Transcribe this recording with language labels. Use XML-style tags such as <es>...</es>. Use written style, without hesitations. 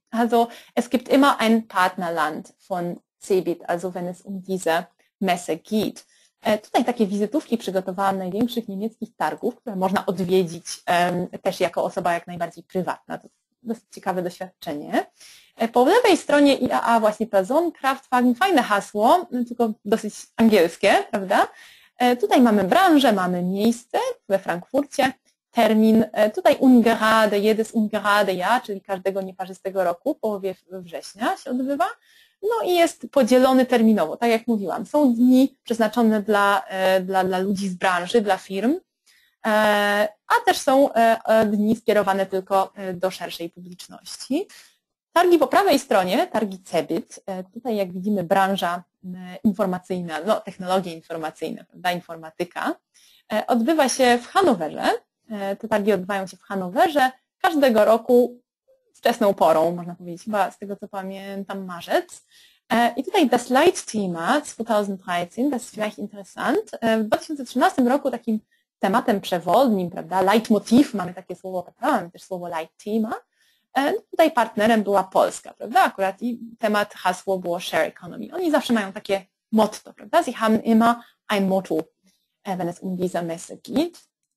<de>Also es gibt immer ein Partnerland von CeBIT, also wenn es um diese Messe geht.</de> <pl>Tutaj takie wizytówki przygotowałam największych niemieckich targów, które można odwiedzić też jako osoba jak najbardziej prywatna. To dosyć ciekawe doświadczenie. Po lewej stronie IAA właśnie Personenkraftwagen, fajne hasło, tylko dosyć angielskie, prawda? Tutaj mamy branżę, mamy miejsce we Frankfurcie, termin, tutaj</pl> <de>ungerade, jedes ungerade ja,</de> <pl>czyli każdego nieparzystego roku, połowie września się odbywa. No i jest podzielony terminowo, tak jak mówiłam. Są dni przeznaczone dla ludzi z branży, dla firm, a też są dni skierowane tylko do szerszej publiczności. Targi po prawej stronie, targi CeBIT, tutaj jak widzimy branża informacyjna, no technologie informacyjne, prawda, informatyka, odbywa się w Hanowerze. Te targi odbywają się w Hanowerze każdego roku wczesną porą, można powiedzieć, chyba z tego co pamiętam, marzec. I tutaj</pl> <de>das Leitthema 2013, das ist vielleicht interessant.</de> <pl>W 2013 roku takim tematem przewodnim, prawda, leitmotiv, mamy takie słowo, prawda, mamy też słowo leitthema. Tutaj partnerem była Polska, prawda? Akurat i temat, hasło było Share Economy. Oni zawsze mają takie motto, prawda?</pl> <de>Sie haben immer ein Motto, wenn es um diese Messe geht.</de>